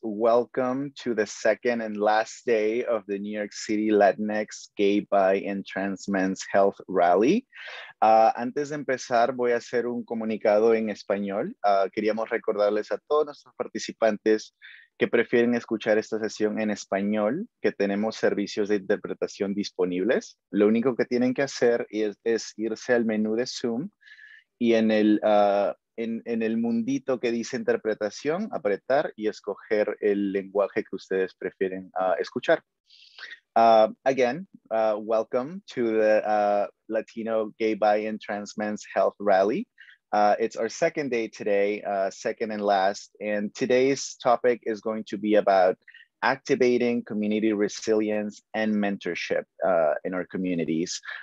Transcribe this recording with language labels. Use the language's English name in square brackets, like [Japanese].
[English] Welcome to the second and last day of the New York City Latinx, Gay, Bi, and Trans Men's Health Rally. [Spanish] Antes de empezar, voy a hacer un comunicado en español. Queríamos recordarles a todos nuestros participantes que prefieren escuchar esta sesión en español, que tenemos servicios de interpretación disponibles. Lo único que tienen que hacer es irse al menú de Zoom y en el mundito que dice interpretación, apretar y escoger el lenguaje que ustedes prefieren escuchar. [English] Welcome to the Latino Gay, Bi, and Trans Men's Health Rally. It's our second day today, second and last, and today's topic is going to be about activating community resilience and mentorship in our communities.